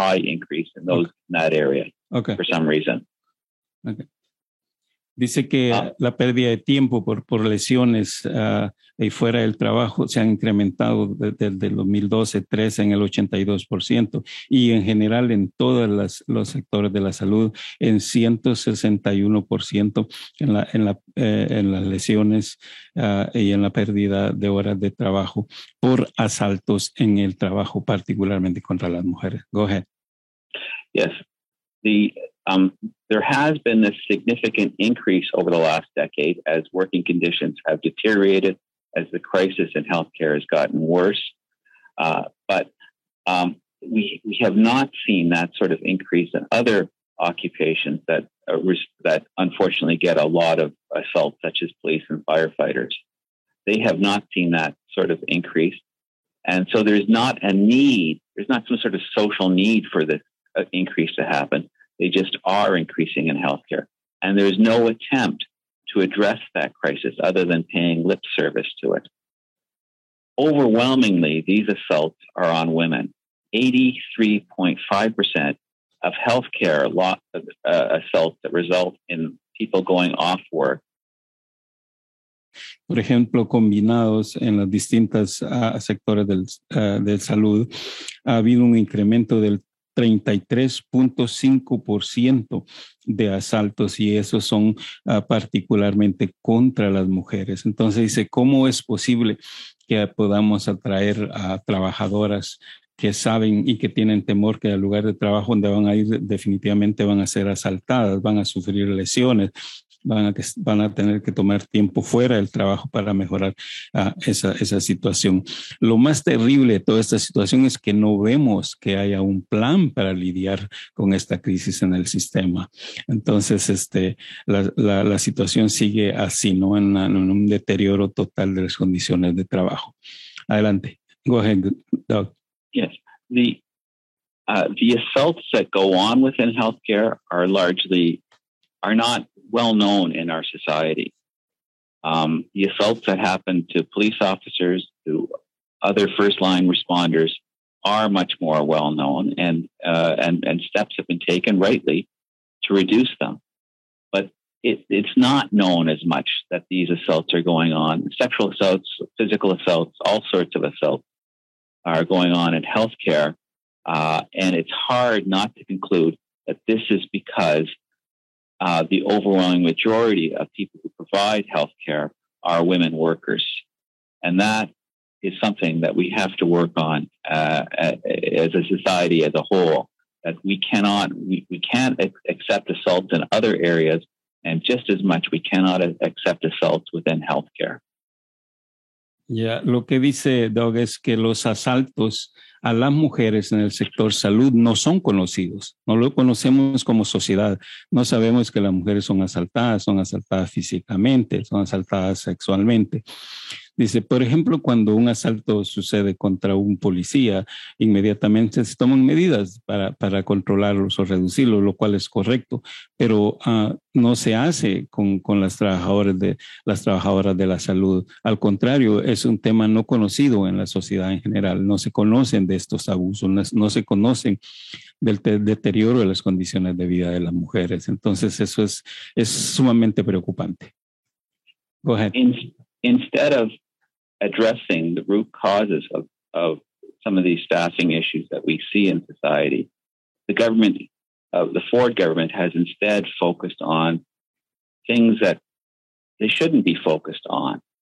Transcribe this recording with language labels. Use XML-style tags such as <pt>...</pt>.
<en>high increase in those okay. in that area okay. for some reason. Okay.</en> <es>Dice que la pérdida de tiempo por lesiones y fuera del trabajo se han incrementado desde 2012-13 en el 82% y en general en todos los sectores de la salud en 161% en las lesiones y en la pérdida de horas de trabajo por asaltos en el trabajo, particularmente contra las mujeres.</es> <en>Go ahead. Yes. There has been a significant increase over the last decade as working conditions have deteriorated, as the crisis in healthcare has gotten worse. But we have not seen that sort of increase in other occupations that unfortunately get a lot of assaults, such as police and firefighters. They have not seen that sort of increase. And so there's not some sort of social need for this increase to happen. They just are increasing in healthcare. And there's no attempt to address that crisis other than paying lip service to it. Overwhelmingly, these assaults are on women. 83.5% of healthcare assaults that result in people going off work.</en> <es>Por ejemplo, combinados en los distintos sectores del salud, ha habido un incremento del 33.5% de asaltos, y esos son particularmente contra las mujeres. Entonces dice, ¿cómo es posible que podamos atraer a trabajadoras que saben y que tienen temor que al lugar de trabajo donde van a ir definitivamente van a ser asaltadas, van a sufrir lesiones, van a tener que tomar tiempo fuera del trabajo para mejorar esa situación? Lo más terrible de toda esta situación es que no vemos que haya un plan para lidiar con esta crisis en el sistema. Entonces, la situación sigue así, ¿no? En un deterioro total de las condiciones de trabajo. Adelante.</es> <en>Go ahead, Doug. Yes. The assaults that go on within healthcare are not well known in our society. The assaults that happen to police officers, to other first line responders, are much more well known, and steps have been taken rightly to reduce them. But it's not known as much that these assaults are going on. Sexual assaults, physical assaults, all sorts of assaults are going on in healthcare. And it's hard not to conclude that this is because the overwhelming majority of people who provide healthcare are women workers. And that is something that we have to work on as a society as a whole, that we can't accept assaults in other areas, and just as much we cannot accept assaults within healthcare. Yeah,</en> <es>lo que dice Doug es que los asaltos a las mujeres en el sector salud no son conocidos, no lo conocemos como sociedad, no sabemos que las mujeres son asaltadas físicamente, son asaltadas sexualmente. Dice, por ejemplo, cuando un asalto sucede contra un policía, inmediatamente se toman medidas para controlarlos o reducirlos, lo cual es correcto, pero no se hace con las trabajadoras de la salud. Al contrario, es un tema no conocido en la sociedad en general. No se conocen de estos abusos, no se conocen del deterioro de las condiciones de vida de las mujeres. Entonces, eso es sumamente preocupante.</es> <en>Go ahead. Instead of addressing the root causes of some of these staffing issues that we see in society, the Ford government has instead focused on things that they shouldn't be focused on.</en>